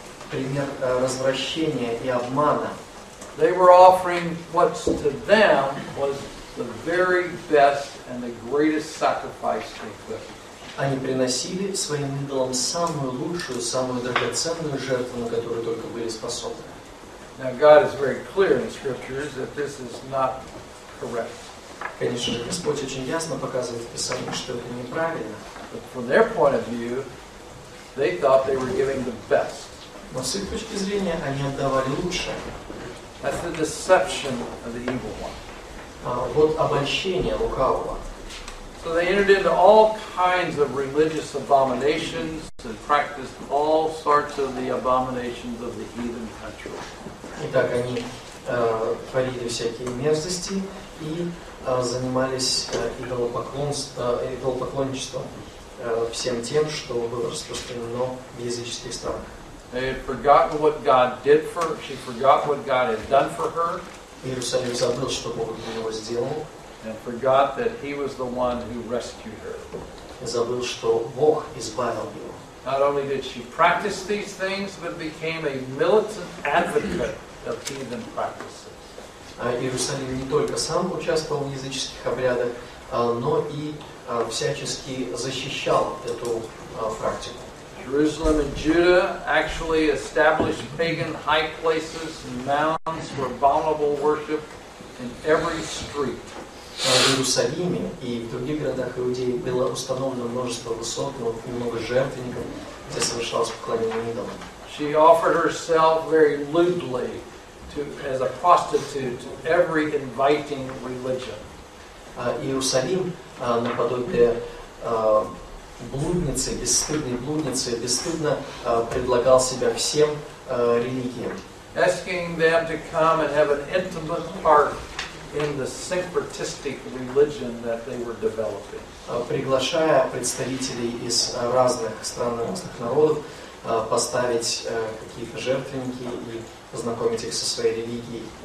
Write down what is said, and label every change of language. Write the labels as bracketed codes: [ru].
[ru] Пример развращения и обмана. [en] They were offering what to them was the very best and the greatest sacrifice they could. [ru] Они приносили своим идолам самую лучшую, самую драгоценную жертву, на которую только были способны. [en] Now God is very clear in the scriptures that this is not correct. [ru] Конечно же, Господь очень ясно показывает в Писании, что это неправильно. [en] But from their point of view, they thought they were giving the best. [ru] Но с их точки зрения, они отдавали лучшее. [en] That's the deception of the evil one. [ru] Вот обольщение лукавого. [en] So they entered into all kinds of religious abominations and practiced all sorts of the abominations of the heathen country. [ru] Итак, они творили всякие мерзости и занимались идолопоклонничеством всем тем, что было распространено в языческих странах. [en] They had forgotten what God did for her. She forgot what God had done for her. [ru] Иерусалим забыл, что Бог для него сделал. [en] And forgot that he was the one who rescued her. [ru] И забыл, что Бог избавил его. [en] Not only did she practice these things, but became a militant advocate of heathen practices. [ru] Иерусалим не только сам участвовал в языческих обрядах, но и всячески защищал эту практику. [en] Jerusalem and Judah actually established pagan high places and mounds for vulnerable worship in every street. [ru] В Иерусалиме и в других городах Иудеи было установлено множество высот, но и много жертвенников, где совершалось поклонение идолам. [en] She offered herself very lewdly to, as a prostitute to every inviting religion. [ru] Иерусалим наподобие блудницы, бесстыдной блудницы, бесстыдно предлагал себя всем религиям. [en] Asking them to come and have an intimate part in the syncretistic religion that they were developing. [ru] Приглашая представителей из разных стран, разных народов, поставить какие-то жертвенники и познакомить их со своей религией.